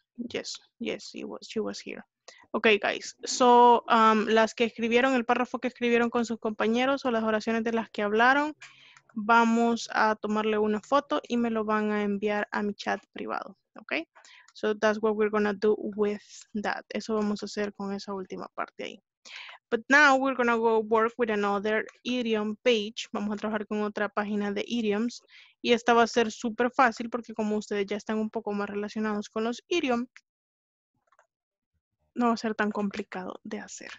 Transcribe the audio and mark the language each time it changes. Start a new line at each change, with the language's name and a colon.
English: Yes, yes, she was here. Okay, guys.
Spanish: So, las que escribieron, el párrafo que escribieron con sus compañeros o las oraciones de las que hablaron, vamos a tomarle una foto y me lo van a enviar a mi chat privado.
English: Okay. So that's what we're going to do with that.
Spanish: Eso vamos a hacer con esa última parte ahí.
English: But now we're going to go work with another idiom page.
Spanish: Vamos a trabajar con otra página de idioms. Y esta va a ser súper fácil porque como ustedes ya están un poco más relacionados con los idioms, no va a ser tan complicado de hacer.